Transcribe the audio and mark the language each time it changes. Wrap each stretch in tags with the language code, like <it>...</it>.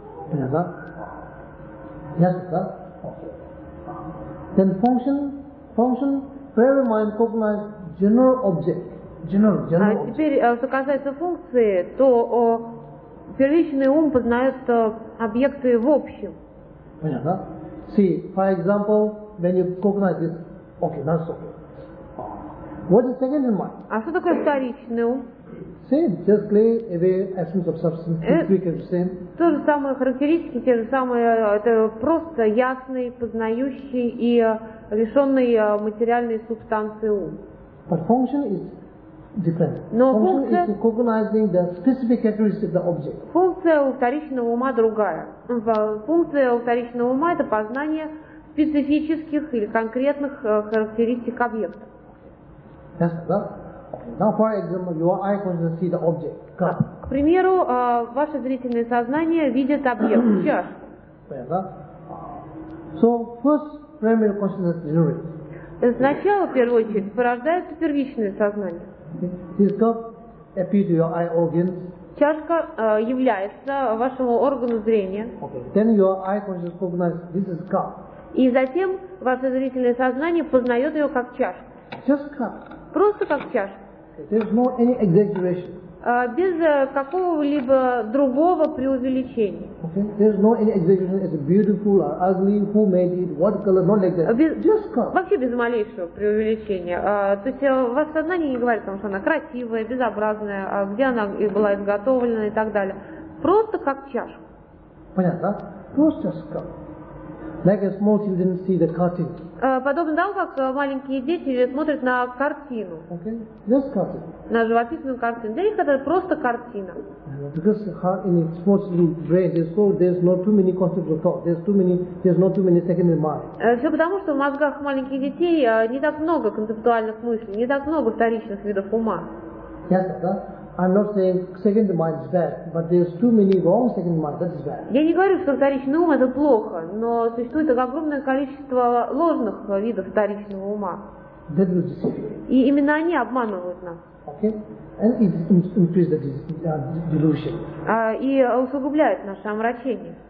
<ru>Понятно?</ru> <en>Yes, sir. Okay. Then function, primary mind cognizes general object. General.</en> <ru>А теперь, что касается функции, то первичный ум познает объекты в общем. Понятно?</ru> <en>See, for example, when you cognize this, okay, that's okay. What is secondary mind?</en> <ru>А что такое вторичный ум?</ru> <en>Same, just clear away essence of substance, frequency, same.</en> <ru>То же самое характеристики, те же самые, это просто ясный, познающий и лишенный материальной субстанции ум.</ru> <en>But function is different.</en> <ru>Но</ru> <en>function is recognizing the specific characteristics of the object.</en> <ru>Функция у вторичного ума другая. Функция у вторичного ума — это познание специфических или конкретных характеристик объекта.</ru> <en>Yes, that. Now, for example, your eye consciousness see the object.</en> <ru>К примеру, ваше зрительное сознание видит объект. Чашка.</ru> <en>So first, primary consciousness generates.</en> <ru>Сначала, в первую очередь, порождается первичное сознание.</ru> <en>This cup appears to your eye organs.</en> <ru>Чашка является вашему органу зрения.</ru> <en>Okay. Then your eye consciousness recognizes this is cup.</en> <ru>И затем ваше зрительное сознание познает ее как чашку.</ru> <en>Just cup.</en> <ru>Просто как чашка.</ru> <en>There's no any exaggeration.</en> <ru>Без какого-либо другого преувеличения.</ru> <en>Okay. There's no any exaggeration. It's beautiful or ugly. Who made it? What color? Not like that. Just cup.</en> <ru>Вообще без малейшего преувеличения. То есть ваше сознание не говорит о том, что она красивая, безобразная, где она была изготовлена и так далее. Просто как чашка. Понятно? Просто</ru> <en>just cup. Like a small children see the cartoon.</en> <ru>Подобно тому, как маленькие дети смотрят на картину.</ru> <en>Okay. Just cartoon.</en> <ru>На живописную картину. Для них это просто картина.</ru> <en>Because in a small children's brain, there's not too many concepts of thought. There's not too many secondary mind.</en> <ru>Все потому, что в мозгах маленьких детей не так много концептуальных мыслей, не так много вторичных видов ума.</ru> <en>Yes, sir. I'm not saying second mind is bad, but there's too many wrong second mind. That's bad.</en> <ru>Я не говорю, что вторичный ум — это плохо, но существует огромное количество ложных видов вторичного ума.</ru> <en>That will deceive you.</en> <ru>И именно они обманывают нас.</ru> <en>Okay. And it increases the delusion.</en> <ru>И усугубляет наше омрачение.</ru>